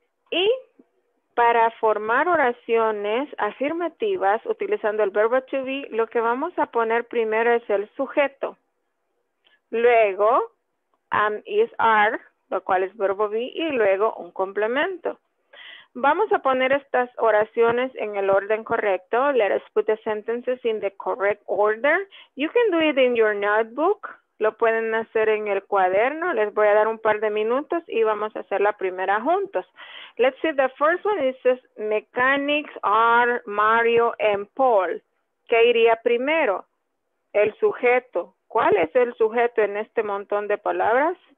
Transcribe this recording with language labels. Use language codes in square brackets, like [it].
[es] Y para formar oraciones afirmativas utilizando el verbo to be, lo que vamos a poner primero es el sujeto. Luego, am, is, are, lo cual es verbo be, y luego un complemento. Vamos a poner estas oraciones en el orden correcto. [en] Let us put the sentences in the correct order. You can do it in your notebook. [es] Lo pueden hacer en el cuaderno. Les voy a dar un par de minutos y vamos a hacer la primera juntos. [en] Let's see the first one. It says, mechanics are Mario and Paul. [es] ¿Qué iría primero? El sujeto. ¿Cuál es el sujeto en este montón de palabras?